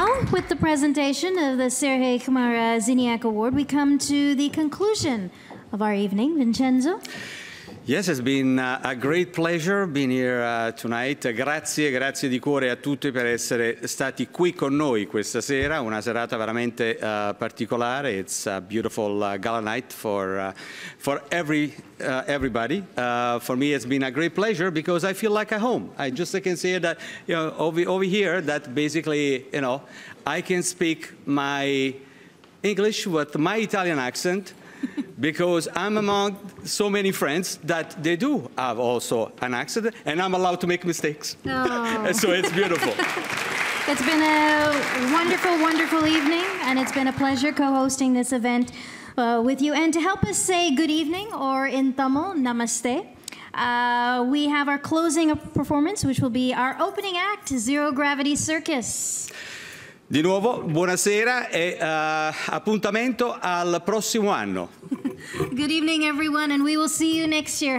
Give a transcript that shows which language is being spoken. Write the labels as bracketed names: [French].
[English] With the presentation of the Sergei Chmara Ziniak Award, we come to the conclusion of our evening. Vincenzo? Yes, it's been a great pleasure being here tonight. [Italian] Grazie di cuore a tutti per essere stati qui con noi questa sera, una serata veramente particolare. [English] It's a beautiful gala night for everybody. For me, it's been a great pleasure because I feel like at home. I can say that, you know, over here, that basically, you know, I can speak my English with my Italian accent, because I'm among so many friends that they do have also an accent, and I'm allowed to make mistakes. Oh. So it's beautiful. It's been a wonderful, wonderful evening, and it's been a pleasure co-hosting this event with you. And to help us say good evening, or in Tamil, namaste, we have our closing performance, which will be our opening act, Zero Gravity Circus. [Italian] Di nuovo, buonasera e appuntamento al prossimo anno. [English] Good evening, everyone, and we will see you next year.